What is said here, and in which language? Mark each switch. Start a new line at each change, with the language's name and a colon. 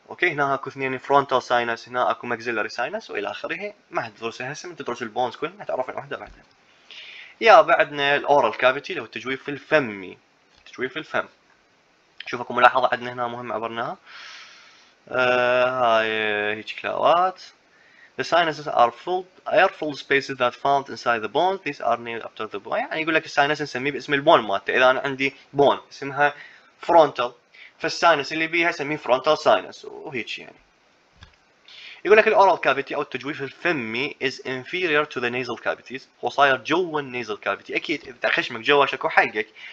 Arabic: اوكي هنا اكو اثنين فرونتال ساينس، هنا اكو ماكسيلري ساينس والى اخره، ما حتدرسها هسه، من تدرس البونز كلها تعرف واحده واحده. يا بعدنا الاورال كافيتي اللي هو التجويف الفمي، تجويف الفم. شوف اكو ملاحظة عندنا هنا مهمة عبرناها. هاي هيك كلاوات.
English: The sinuses are filled air filled spaces that found inside the bone. These are named after the bone.
Arabic: يعني يقول لك السينس نسميه باسم البون مالته، اذا انا عندي بون اسمها فرونتال فالسينس اللي بيها اسميه فرونتال سينس وهيك يعني. يقول لك الاورال كافيتي او التجويف الفمي
English: is inferior to the nasal cavities،
Arabic: هو صاير جوا النيزل كافيتي، اكيد اذا تخشمك جوا شكو حقك.